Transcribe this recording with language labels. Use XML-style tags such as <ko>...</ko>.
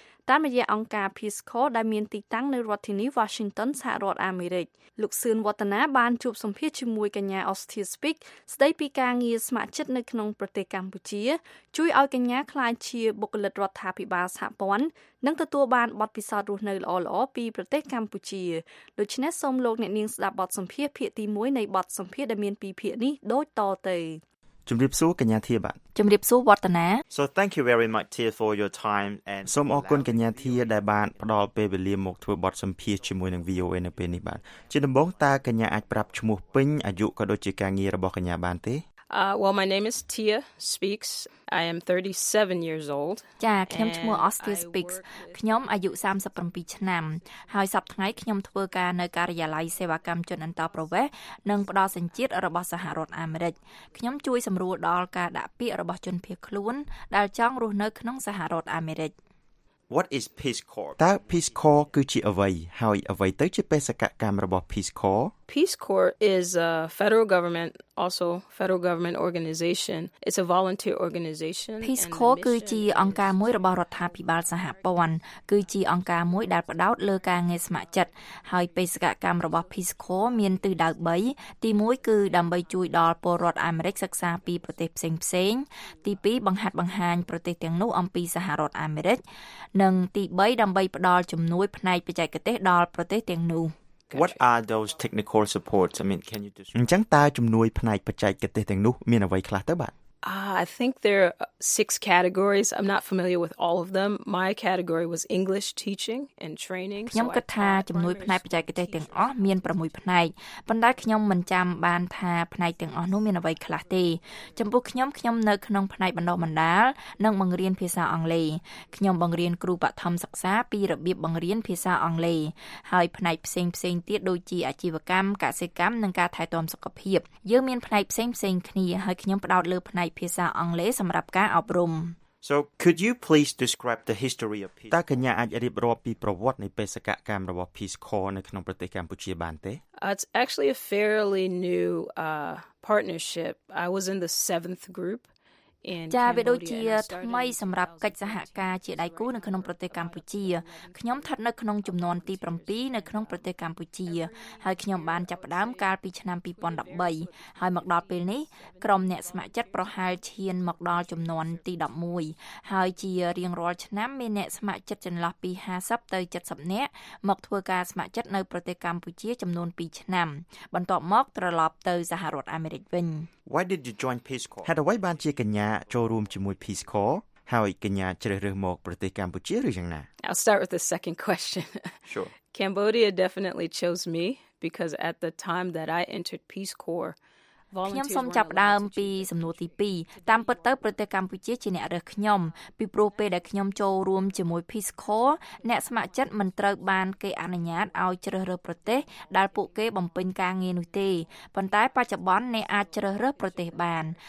<km>តាមរយៈអង្គការ Peace Corps ដែលមានទីតាំងនៅរដ្ឋធានី Washington សហរដ្ឋអាមេរិកលោកសឿនវឌ្ឍនាបានជួបសម្ភាសជាមួយកញ្ញា Austria Speaks ស្ដីពីការងារស្ម័គ្រចិត្តនៅក្នុងប្រទេសកម្ពុជាជួយឲ្យកញ្ញាក្លាយជាបុគ្គលិករដ្ឋាភិបាលសហព័ន្ធនិងទទួលបានបទពិសោធន៍រស់នៅល្អល្អពីប្រទេសកម្ពុជាដូច្នេះសូមលោកអ្នកនាងស្ដាប់បទសម្ភាសភាគទី1នៃបទសម្ភាសដែលមានពីភាគនេះដូចតទៅ ជំរាបសួរកញ្ញាធីបាទ ជំរាបសួរវឌ្ឍនា</km> <en>So thank you very much Tia for your time and</en> <km>សូមអរគុណកញ្ញាធីដែលបានផ្ដល់ពេលវេលាមកធ្វើបទសម្ភាសជាមួយនឹង VOA នៅពេលនេះបាទជាដំបូងតើកញ្ញាអាចប្រាប់ឈ្មោះពេញអាយុក៏ដូចជាការងាររបស់កញ្ញាបានទេ</km> <en>Well my name is Tia Speaks I am 37 years old</en> <km>ចាខ្ញុំឈ្មោះ Austin Speaks ខ្ញុំអាយុ37ឆ្នាំហើយសប្ដាហ៍ខ្ញុំធ្វើការនៅការិយាល័យសេវាកម្មជនអន្តរប្រវេសន៍និងផ្ដល់សញ្ជាតិរបស់សហរដ្ឋអាមេរិកខ្ញុំជួយសម្រួលដល់ការដាក់ពាក្យរបស់ជនភៀសខ្លួនដែលចង់រស់នៅក្នុងសហរដ្ឋអាមេរិក</km> <en>What is Peace Corps?</en> <km>តើ Peace Corps គឺជាអ្វីហើយអ្វីទៅជាបេសកកម្មរបស់ Peace Corps?</km> <en>Peace Corps is a federal government also federal government organization. It's a volunteer organization.</en> <km>Peace Corps គឺជាអង្គការមួយរបស់រដ្ឋាភិបាលសហព័ន្ធគឺជាអង្គការមួយដែលផ្ដោតលើការងារស្ម័គ្រចិត្តហើយបេសកកម្មរបស់ Peace Corps មានទិសដៅ3ទី1គឺដើម្បីជួយដល់ពលរដ្ឋអាមេរិកសិក្សាពីប្រទេសផ្សេងផ្សេងទី2បង្ហាត់បង្ហាញប្រទេសទាំងនោះអំពីសហរដ្ឋអាមេរិកនិងទី3ដើម្បីផ្ដល់ជំនួយផ្នែកបច្ចេកទេសដល់ប្រទេសទាំងនោះ</km> <en>What are those technical supports? I mean, can you describe?</en> <km>អញ្ចឹងតើជំនួយផ្នែកបច្ចេកទេសទាំងនោះមានអ្វីខ្លះទៅបាទ?</km> <en>I think there are 6 categories. I'm not familiar with all of them. My category was English teaching and training.</en> <km>ខ្ញុំគិតថាជំនួយផ្នែកបច្ចេកទេសទាំងអស់មាន6ផ្នែកប៉ុន្តែខ្ញុំមិនចាំបានថាផ្នែកទាំងអស់នោះមានអ្វីខ្លះទេចំពោះខ្ញុំនៅក្នុងផ្នែកបណ្ដុះបណ្ដាលនិងបង្រៀនភាសាអង់គ្លេសខ្ញុំបង្រៀនគ្រូបឋមសិក្សាពីរបៀបបង្រៀនភាសាអង់គ្លេសហើយផ្នែកផ្សេងៗទៀតដូចជាអាជីវកម្មកសិកម្មនិងការថែទាំសុខភាពយើងមានផ្នែកផ្សេងគ្នាហើយខ្ញុំផ្ដោតលើផ្នែកភាសាអង់គ្លេសសម្រាប់ការអប់រំ</km> <en>So could you please describe the history of Peace Corps?</en> <km>តកញ្ញាអាចរៀបរាប់ពីប្រវត្តិនៃបេសកកម្មរបស់ Peace Corps នៅក្នុងប្រទេសកម្ពុជាបានទេ?</km> <en>It's actually a fairly new partnership. I was in the 7th group.</en> <km>ជាវាដូចជាថ្មីសម្រាប់កិច្ចសហការជាដៃគូនៅក្នុងប្រទេសកម្ពុជាខ្ញុំស្ថិតនៅក្នុងជំនាន់ទី7នៅក្នុងប្រទេសកម្ពុជាហើយខ្ញុំបានចាប់ផ្ដើមកាលពីឆ្នាំ2013ហើយមកដល់ពេលនេះក្រុមអ្នកស្ម័គ្រចិត្តប្រហែលឈានមកដល់ជំនាន់ទី11ហើយជារៀងរាល់ឆ្នាំមានអ្នកស្ម័គ្រចិត្តចន្លោះពី50ទៅ70នាក់មកធ្វើការស្ម័គ្រចិត្តនៅប្រទេសកម្ពុជាចំនួន2ឆ្នាំបន្ទាប់មកត្រឡប់ទៅសហរដ្ឋអាមេរិកវិញ</km> <en>Why did you join Peace Corps?</en> <km>ហេតុអ្វីបានជាកញ្ញាចូលរួមជាមួយ Peace Corps ហើយកញ្ញាជ្រើសរើសមកប្រទេសកម្ពុជាឬយ៉ាងណា?</km> <en>I'll start with the second question. Sure. Cambodia definitely chose me because at the time that I entered Peace Corps,</en> <km>ខ្ញុំសូមចាប់ផ្ដើមពីសំណួរទី2តាមពិតទៅប្រទេសកម្ពុជាជាអ្នករើសខ្ញុំពីព្រោះពេលដែលខ្ញុំចូលរួមជាមួយ Peace Corps អ្នកស្ម័គ្រចិត្តមិនត្រូវបានគេអនុញ្ញាតឲ្យជ្រើសរើសប្រទេសដែលពួកគេបំពេញការងារនោះទេប៉ុន្តែបច្ចុប្បន្នអ្នកអាចជ្រើសរើសប្រទេសបាន</km>